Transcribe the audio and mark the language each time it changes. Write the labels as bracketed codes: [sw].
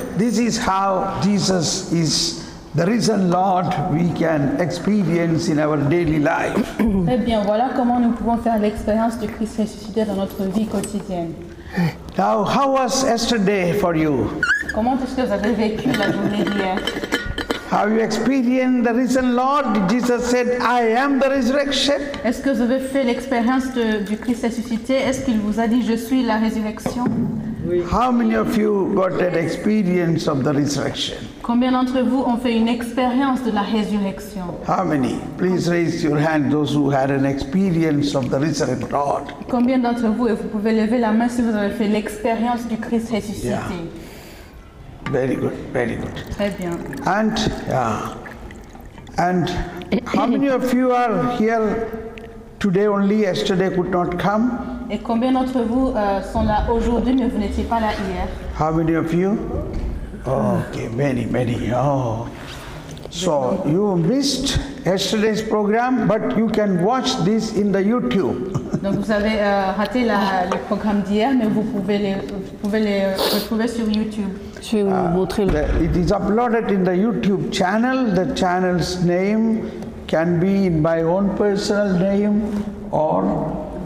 [en] This is how Jesus is the risen Lord we can experience in our daily life. [fr] Très bien, voilà comment nous pouvons faire l'expérience du Christ ressuscité dans notre vie quotidienne. [en] Now, how was yesterday for you? [fr] Comment est-ce que vous avez vécu la journée d'hier? [en] Have you experienced the risen Lord? Jesus said, "I am the resurrection." [fr] Est-ce que vous avez fait l'expérience du Christ ressuscité? Est-ce qu'il vous a dit, "Je suis la résurrection"? [en] How many of you got an experience of the resurrection? [fr] Combien d'entre vous ont fait une expérience de la résurrection? [en] How many? Please raise your hand those who had an experience of the risen Lord. [fr] Combien d'entre vous, et vous pouvez lever la main si vous avez fait l'expérience du Christ ressuscité? [en] Yeah. Very good, very good. [fr] Très bien. [en] And and how many of you are here today only? Yesterday could not come. [fr] Et combien d'entre vous sont là aujourd'hui, mais vous n'étiez pas là hier? [en] How many of you? Oh, okay, many, many. Oh, so you missed yesterday's program, but you can watch this in the YouTube. [fr] Donc vous avez raté le programme d'hier, mais vous pouvez les retrouver sur YouTube. Je vais vous montrer. [en] It is uploaded in the YouTube channel. The channel's name can be in my own personal name or.